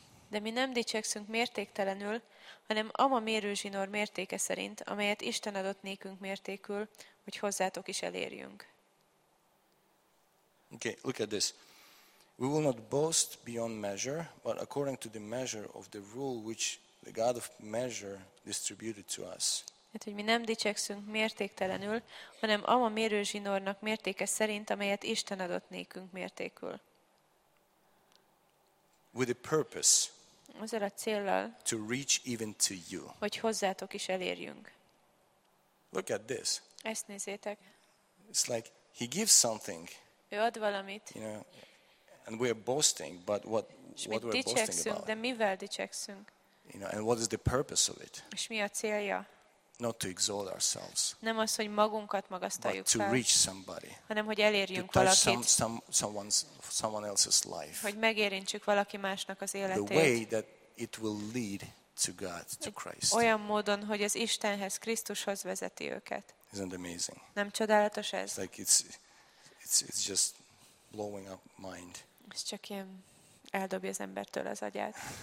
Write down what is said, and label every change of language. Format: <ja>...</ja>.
<hu>De mi nem dicsekszünk mértéktelenül, hanem ama mérőzsinór mértéke szerint, amelyet Isten adott nékünk mértékül, hogy hozzátok is elérjünk.</hu> <en>Okay, look at this. We will not boast beyond measure, but according to the measure of the rule which the God of measure distributed to us.</en> <hu>Tehát, hogy mi nem dicsekszünk mértéktelenül, hanem ama mérőzsinórnak mértéke szerint, amelyet Isten adott nékünk mértékül.</hu> <en>With a purpose.</en> <hu>Azzal a céllal.</hu> <en>To reach even to you.</en> <hu>Hogy hozzátok is elérjünk.</hu> <en>Look at this.</en> <hu>Ezt nézzétek.</hu> <en>It's like he gives something.</en> <hu>Ő ad valamit.</hu> <en>You know, and we are boasting, but what we're boasting about.</en> <hu>De mivel dicsekszünk?</hu> <en>You know, and what is the purpose of it?</en> <hu>És mi a célja?</hu> <en>Not to exalt ourselves.</en> <hu>Nem az, hogy magunkat magasztaljuk fel.</hu> <en>But to reach somebody.</en> <hu>Hanem hogy elérjünk valakit.</hu> <en>To touch</en> <hu>valakit,</hu> <en>someone else's life.</en> <hu>Hogy megérintsük valaki másnak az életét.</hu> <en>The way that it will lead to God, to Christ.</en> <hu>Olyan módon, hogy az Istenhez, Krisztushoz vezeti őket.</hu> <en>Isn't amazing?</en> <hu>Nem csodálatos ez?</hu> <en>It's like it's just blowing up mind.</en> <hu>Ez csak ilyen eldobja az embertől az agyát.</hu>